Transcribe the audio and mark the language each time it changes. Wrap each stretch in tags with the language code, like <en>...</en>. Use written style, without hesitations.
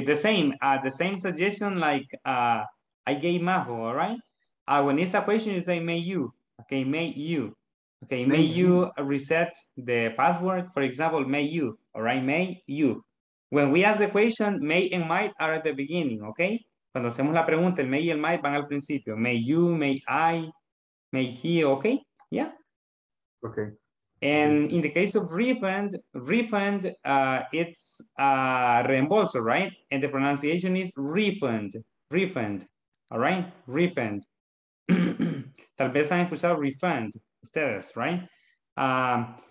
<en>The same suggestion like I gave Majo, all right? When it's a question, you say, may you reset the password? For example, may you, all right? May you. When we ask the question, may and might are at the beginning, okay?</en> <es>Cuando hacemos la pregunta, el may y el might van al principio.</es> <en>May you, may I, may he, okay? Yeah? Okay. And in the case of refund, it's reembolso, right? And the pronunciation is refund, all right? Refund.</en> <es>Tal vez han escuchado refund, ustedes, right?</es>